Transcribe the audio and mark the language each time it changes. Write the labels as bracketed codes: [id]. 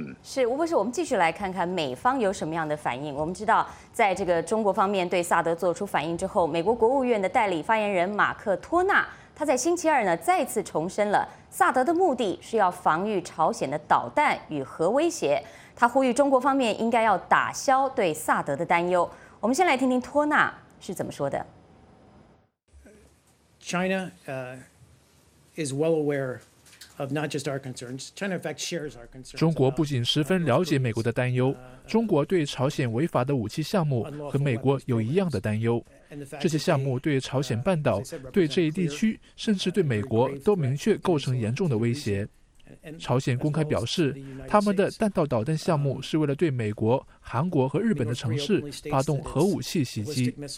[zh] 是，吴博士，我们继续来看看美方有什么样的反应。我们知道在这个中国方面对萨德做出反应之后，美国国务院的代理发言人马克托纳他在星期二呢再次重申了萨德的目的是要防御朝鲜的导弹与核威胁，他呼吁中国方面应该要打消对萨德的担忧。我们先来听听托纳是怎么说的。 [en] China is well aware of not just our concerns, China in fact shares our concerns. [zh] 中国不仅十分了解美国的担忧，中国对朝鲜违法的武器项目和美国有一样的担忧。这些项目对朝鲜半岛、对这一地区，甚至对美国都明确构成严重的威胁。朝鲜公开表示，他们的弹道导弹项目是为了对美国、韩国和日本的城市发动核武器袭击。